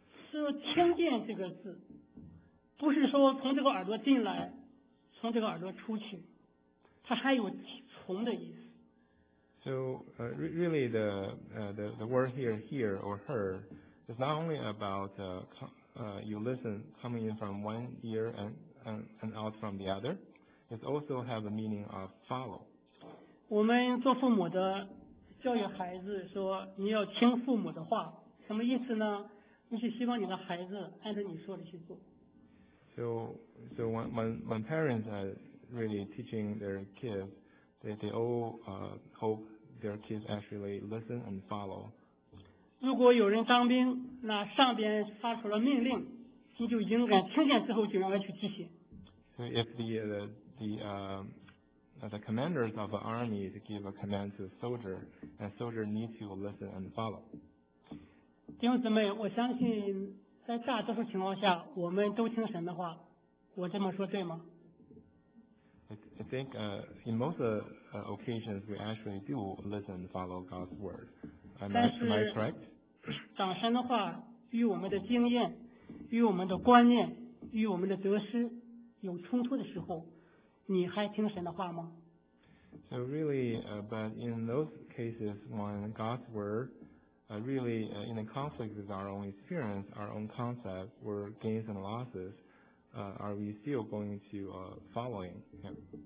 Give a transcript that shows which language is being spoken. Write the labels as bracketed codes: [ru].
[zh] 是听见这个字，不是说从这个耳朵进来，从这个耳朵出去，它还有从的意思。 [en] So really the word here, hear or heard is not only about you listen coming in from one ear and out from the other. It also has the meaning of follow. [zh] 我们做父母的教育孩子说你要听父母的话，什么意思呢？你是希望你的孩子按照你说的去做。 [en] So when parents are really teaching their kids, they all hope their kids actually listen and follow. [zh] 如果有人当兵，那上边发出了命令，你就应该听见之后就应该去执行。 [en] So if the commanders of an army to give a command to a soldier, and soldier need to listen and follow. [zh] 弟兄姊妹，我相信在大多数情况下，我们都听神的话，我这么说对吗？ [en] I think in most occasions we actually do listen and follow God's word. Am I correct? [zh] 长神的话与我们的经验、与我们的观念、与我们的得失有冲突的时候，你还听神的话吗？ [en] So really, but in those cases when God's word really in a conflict with our own experience, our own concept, or gains and losses, are we still going to following him?